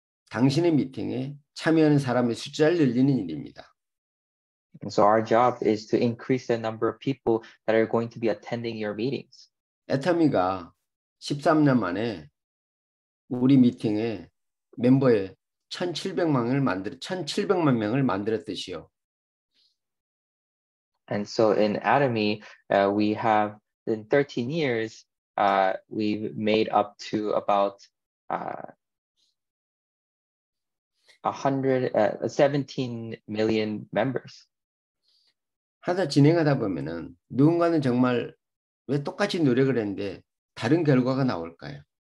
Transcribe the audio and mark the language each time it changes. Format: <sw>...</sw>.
<ko>당신의 미팅에 참여하는 사람의 숫자를 늘리는 일입니다.</ko> <en>So our job is to increase the number of people that are going to be attending your meetings.</en> <ko>애터미가 13년 만에 우리 미팅에 멤버에 1,700만 명을 만들었듯이요.</ko> <en>And so in Atomy, we have in 13 years, we've made up to about 17 million members.</en> <ko>하다 진행하다 보면은 누군가는 정말 왜 똑같이 노력을 했는데 다른 결과가 나올까요?</ko>